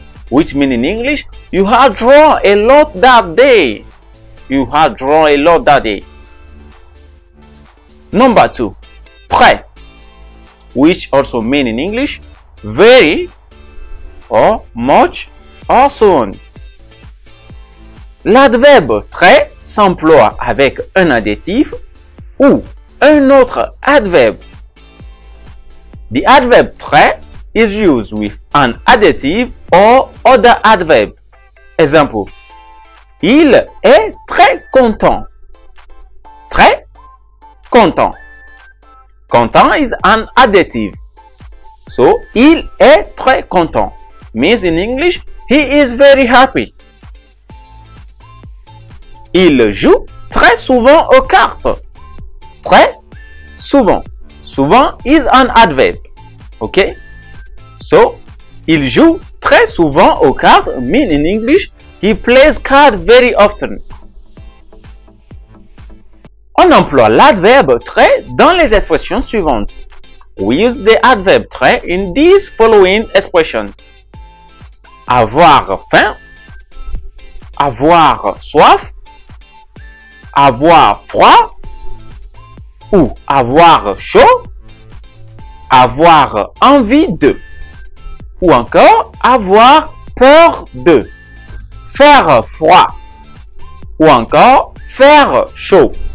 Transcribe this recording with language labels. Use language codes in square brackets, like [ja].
[en] Which means in English, you had drawn a lot that day. You had drawn a lot that day. Number two, très. Which also means in English, very, or much, or soon. [fr] L'adverbe très s'emploie avec un adjectif ou un autre adverbe. [en] The adverb très is used with an adjective or other adverb. [fr] Exemple. Il est très content. Très content. [en] Content is an adjective. So, [fr] il est très content. [en] Means in English, he is very happy. [fr] Il joue très souvent aux cartes. Très souvent. [en] Souvent is an adverb. Ok, so, [fr] il joue très souvent aux cartes, [en] mean in English, he plays cards very often. [fr] On emploie l'adverbe très dans les expressions suivantes. [en] We use the adverb très in these following expressions. [fr] Avoir faim, avoir soif, avoir froid ou avoir chaud. Avoir envie de, ou encore avoir peur de, faire froid, ou encore faire chaud.